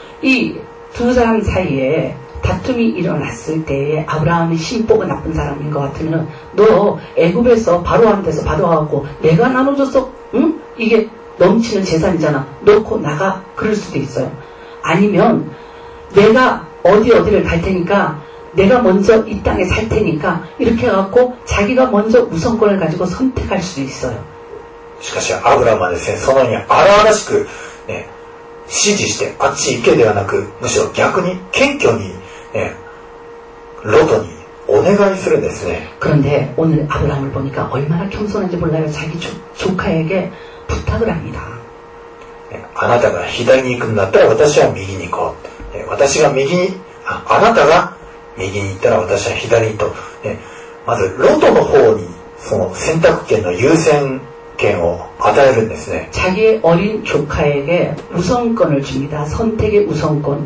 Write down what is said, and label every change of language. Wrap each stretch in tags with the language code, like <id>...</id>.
<ko>いい두사람사이에다툼이일어났을때에아브라함이심보가나쁜사람인것같으면너애굽에서바로한테서받아와갖고내가나눠줬어응이게넘치는재산이잖아놓고나가그럴수도있어요아니면내가어디어디를갈테니까내가먼저이땅에살테니까이렇게해갖고자기가먼저우선권을가지고선택할수도있어요</ko> <ja>しかし아브라함은ですね、そのように荒々しく、ね、指示してあっち行けではなく、むしろ逆に謙虚に、ね、ロトにお願いするんですね。</ja> <ko>그런데오늘아브라함을보니까얼마나겸손한지몰라요。자기 조카에게부탁을합니다。</ko> <ja>あなたが左に行くんだったら私は右に行こう。私が右に、あなたが右に行ったら私は左にと、ね、まずロトの方にその選択権の優先権を与えるんですね。</ja> <ko>자기의어린조카에게우선권을줍니다。 선택의우선권。</ko>